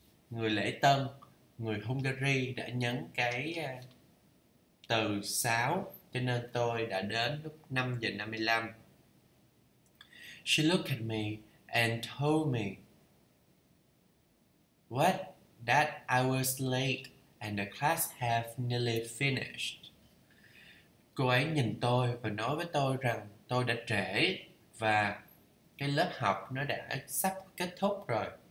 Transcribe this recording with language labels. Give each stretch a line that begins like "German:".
Vietnamese: Người lễ tân, người Hungary đã nhấn cái từ 6, cho nên tôi đã đến lúc 5:55.
English: She looked at me and told me what that I was late and the class have nearly finished.
Vietnamese: Cô ấy nhìn tôi và nói với tôi rằng tôi đã trễ và cái lớp học nó đã sắp kết thúc rồi.